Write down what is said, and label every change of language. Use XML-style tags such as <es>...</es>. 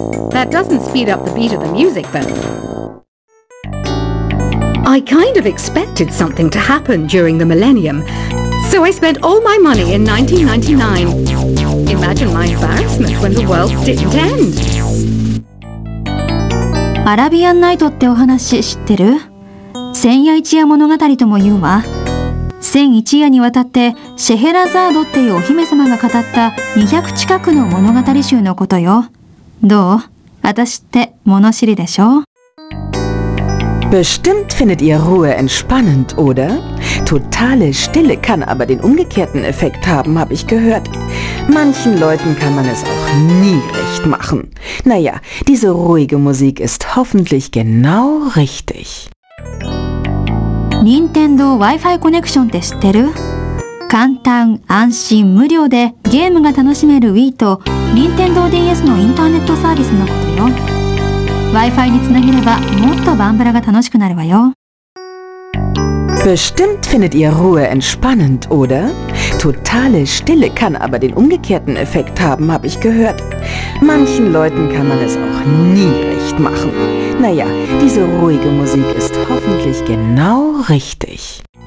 <en>That doesn't speed up the beat of the music though. I kind of expected something to happen during the millennium, so I spent all my money in 1999. Imagine my embarrassment when the world didn't end.</en> <ja>アラビアンナイトってお話知ってる?千夜一夜物語とも言うわ。千一夜にわたってシェヘラザードっていうお姫様が語った200近くの物語集のことよ。どう?私って物知りでしょ?</ja> <de>Bestimmt findet ihr Ruhe entspannend, oder? Totale Stille kann aber den umgekehrten Effekt haben, habe ich gehört. Manchen Leuten kann man es auch nie recht machen. Naja, diese ruhige Musik ist hoffentlich genau richtig.</de> <ja>Nintendo Wi-Fi Connection って知ってる?簡単、安心、無料でゲームが楽しめる Wii と Nintendo DS のインターネットサービスのことよ。 Wi-Fi につなげればもっとバンブラが楽しくなるわよ。</ja> <de>Bestimmt findet ihr Ruhe entspannend, oder? Totale Stille kann aber den umgekehrten Effekt haben, habe ich gehört. Manchen Leuten kann man es auch nie recht machen. Naja, diese ruhige Musik ist hoffentlich genau richtig.</de>